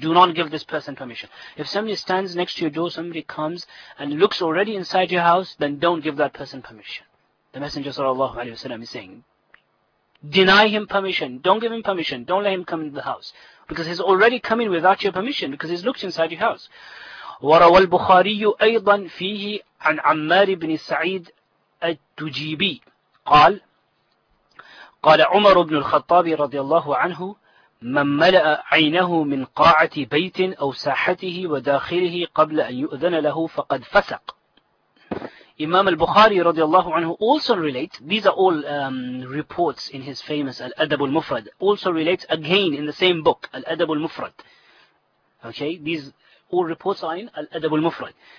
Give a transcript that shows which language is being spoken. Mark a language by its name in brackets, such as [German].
[English] Do not give this person permission. If somebody stands next to your door, somebody comes and looks already inside your house, then don't give that person permission. The Messenger sallallahu alayhi wa sallam is saying, deny him permission, don't give him permission, don't let him come into the house. Because he's already come in without your permission, because he's looked inside your house. [Arabic] وَرَوَى الْبُخَارِيُّ أَيْضًا فِيهِ عَنْ عَمَّارِ بْنِ سَعِيدِ التُّجِيبِ قال قال عمر بن الخطاب رضي الله عنه من ملأ عينه من قاعة بيت أو ساحته وداخله قبل أن يؤذن له فقد فسق. [English] Imam al-Bukhari radiallahu anhu also relates, these are all reports in his famous Al-Adab al-Mufrad, also relates again in the same book, Al-Adab al-Mufrad. Okay, these all reports are in Al-Adab al-Mufrad.